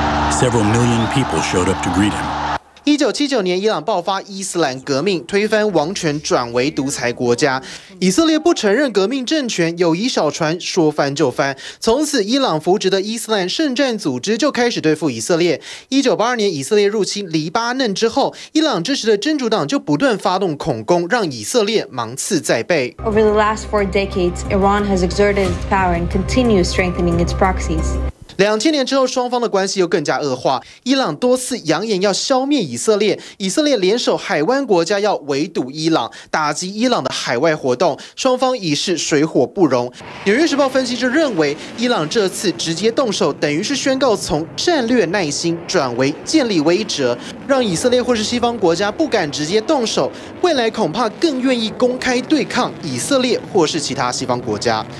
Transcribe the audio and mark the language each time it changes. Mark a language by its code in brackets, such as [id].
[en] Several million people showed up to greet him. [zh] 1979年，伊朗爆发伊斯兰革命，推翻王权，转为独裁国家。以色列不承认革命政权，友谊小船说翻就翻。从此，伊朗扶植的伊斯兰圣战组织就开始对付以色列。 1982年，以色列入侵黎巴嫩之后，伊朗支持的真主党就不断发动恐攻，让以色列芒刺在背。 [en] Over the last four decades, Iran has exerted its power and continues strengthening its proxies. [zh] 2000年之后，双方的关系又更加恶化。伊朗多次扬言要消灭以色列，以色列联手海湾国家要围堵伊朗，打击伊朗的海外活动，双方已是水火不容。纽约时报分析就认为，伊朗这次直接动手，等于是宣告从战略耐心转为建立威慑，让以色列或是西方国家不敢直接动手，未来恐怕更愿意公开对抗以色列或是其他西方国家。